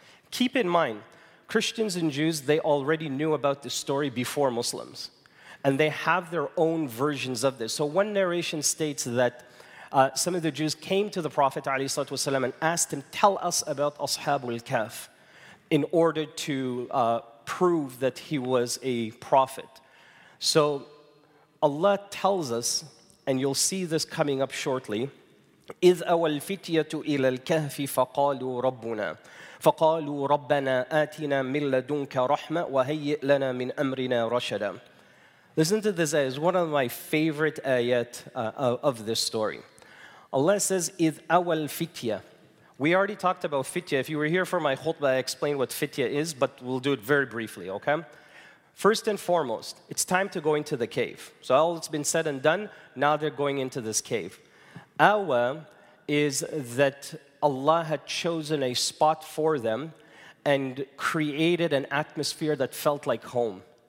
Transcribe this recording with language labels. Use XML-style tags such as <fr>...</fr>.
<en>Keep in mind, Christians and Jews, they already knew about this story before Muslims. And they have their own versions of this. So one narration states that some of the Jews came to the Prophet ﷺ and asked him, tell us about Ashabul Kahf, in order to prove that he was a prophet. So Allah tells us, and you'll see this coming up shortly,</en> <ar>إِذْ أَوَى الْفِتْيَةُ إِلَى الْكَهْفِ فَقَالُوا رَبُّنَا فَقَالُوا رَبَّنَا آتِنَا مِنْ لَدُنْكَ رَحْمَةً وَهَيِّئْ لَنَا مِنْ أَمْرِنَا رَشَدًا.</ar> <en>Listen to this ayah. It's one of my favorite ayat of this story. Allah says,</en> <ar>إِذْ أَوَى الْفِتْيَةُ.</ar> <en>We already talked about fitya. If you were here for my khutbah, I explained what fitya is, but we'll do it very briefly, okay? First and foremost, it's time to go into the cave. So all that's been said and done, now they're going into this cave. Awa is that Allah had chosen a spot for them and created an atmosphere that felt like home.</en>